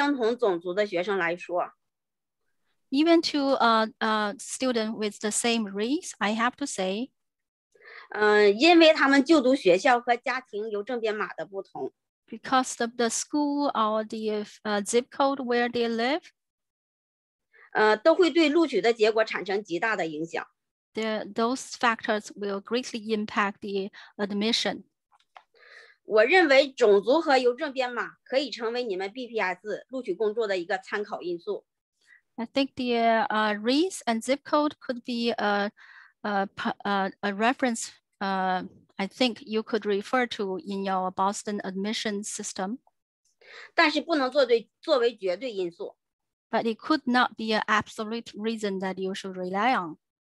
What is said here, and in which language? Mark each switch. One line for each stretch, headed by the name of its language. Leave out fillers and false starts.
Chinese: 我想说,即使对于相同种族的学生来说,
English: even to a student with the same race, I have to say,
Chinese: 因为他们就读学校和家庭邮政编码的不同,
English: because of the school or the zip code where they live,
Chinese: 都会对录取的结果产生极大的影响,
English: those factors will greatly impact the admission.
Chinese: 我认为种族和邮政编码可以成为你们 BPS录取工作的一个参考因素。
English: I think the race and zip code could be a reference. I think you could refer to in your Boston admission system.
Chinese: 但是不能作为绝对因素。
English: But it could not be an absolute reason that you should rely on.